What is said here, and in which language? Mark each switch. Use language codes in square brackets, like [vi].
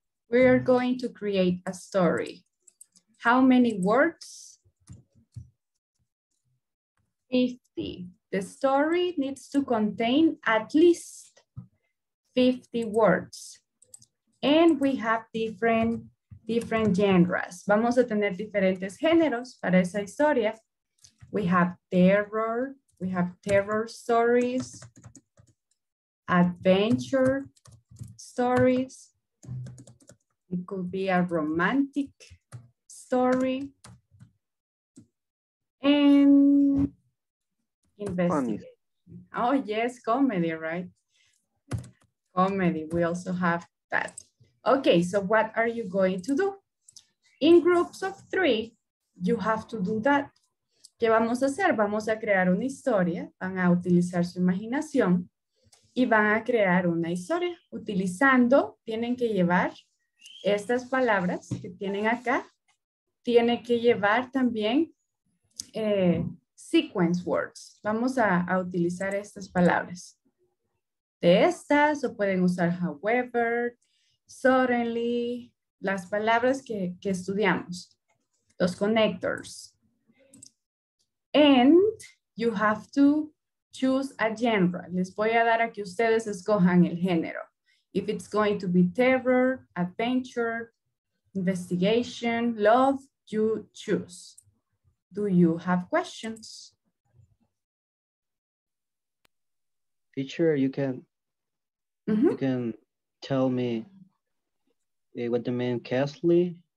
[en] We are going to create a story. How many words? 50. The story needs to contain at least 50 words. And we have different genres. [es] Vamos a tener diferentes géneros para esa historia. [en] We have terror, we have terror stories, adventure stories. It could be a romantic story. And investigation. Funny. Oh yes, comedy, right? Comedy, we also have that. Okay, so what are you going to do? In groups of 3, you have to do that. [es] ¿Qué vamos a hacer? Vamos a crear una historia. Van a utilizar su imaginación. y van a crear una historia utilizando, tienen que llevar estas palabras que tienen acá, tienen que llevar también [en] sequence words. [es] Vamos a utilizar estas palabras. De estas, o pueden usar however, suddenly, las palabras que estudiamos, los connectors. [en] And you have to choose a genre. [es] Les voy a dar a que ustedes escojan el género. [en] If it's going to be terror, adventure, investigation, love, you choose. Do you have questions? Teacher, you can, mm-hmm. you can tell me what the name Castle?